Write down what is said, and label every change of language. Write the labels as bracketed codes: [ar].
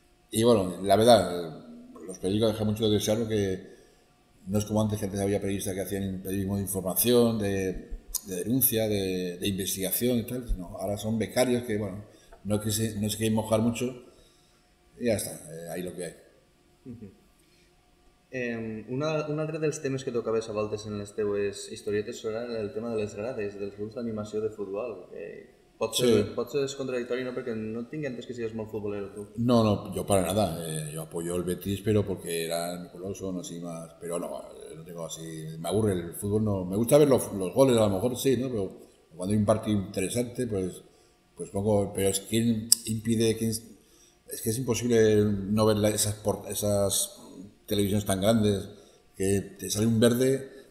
[es] Y bueno, la verdad. Los periódicos dejan mucho de desear porque no es como antes que antes había periodistas que hacían periodismo de información, de denuncia, de investigación y tal. No, ahora son becarios que, bueno, no es que se quieren mojar mucho y ya está, ahí lo que hay. [ca] Un altre dels temes que tocaves a voltes en les teues historietes era el tema de les grades, dels grups d'animació de futbol. Pot ser contradictori, no, perquè no tinc entès que sigues molt futbolero, tu. [es] No, no, jo para nada. Jo apoyo el Betis, [ca] però perquè [es] era mi color, son así más... Però no, no tengo así... Me aburre el fútbol, no... Me gusta ver los goles, a lo mejor sí, ¿no? Pero cuando hay un partido interesante, pues pongo... Pero es quien impide... Es que es imposible no ver esas televisiones tan grandes que te sale un verde...